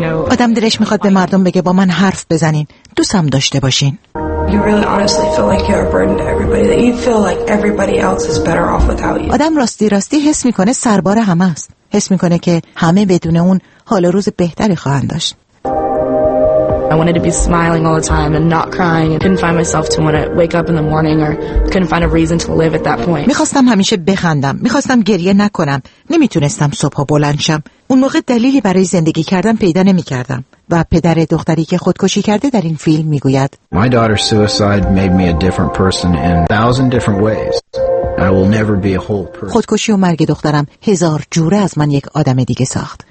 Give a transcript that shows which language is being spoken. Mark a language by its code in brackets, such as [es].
[fa] آدم دلش میخواد به مردم بگه با من حرف بزنین. دوستم داشته باشین. [en] You really honestly feel like you're a burden to everybody. That you feel like everybody else is better off without you. [fa] آدم راستی راستی حس میکنه سربار همه است. حس میکنه که همه بدون اون حال روز بهتری خواهند داشت. [en] I wanted to be smiling all the time and not crying and couldn't find myself to want to wake up in the morning or couldn't find a reason to live at that point. [fa] میخواستم همیشه بخندم. میخواستم گریه نکنم. نمیتونستم صبح بلند شم. اون موقع دلیلی برای زندگی کردن پیدا نمیکردم. و پدر دختری که خودکشی کرده در این فیلم میگوید: [en] My daughter's suicide made me a different person in a thousand different ways. I will never be a whole person. [fa] خودکشی و مرگ دخترم هزار جوره از من یک آدم دیگه ساخت.